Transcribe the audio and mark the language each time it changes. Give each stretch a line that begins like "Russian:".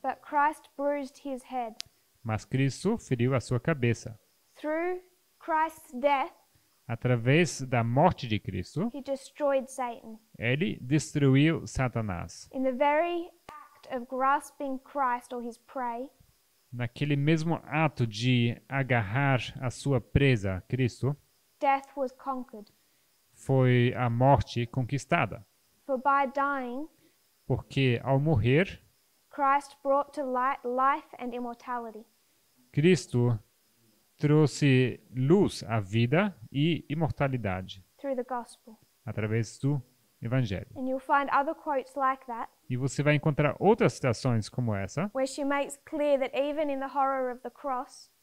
English: But Christ bruised his head.
Portuguese: Mas Cristo feriu a sua cabeça.
English: Through Christ's death,
Portuguese: através da morte de Cristo,
English: he destroyed Satan.
Portuguese: Ele destruiu Satanás.
English: In the very act of grasping Christ or his prey,
Portuguese: naquele mesmo ato de agarrar a sua presa, Cristo,
English: death was conquered.
Portuguese: Foi a morte conquistada.
English: For by dying,
Portuguese: porque ao morrer,
English: Christ brought to light life and immortality.
Portuguese: Cristo trouxe luz à vida e imortalidade.
English: Through the gospel.
Portuguese: Através do evangelho.
English: And you'll find other quotes like that,
Portuguese: e você vai encontrar outras citações como essa,
English: where she makes clear that even in the horror of the cross,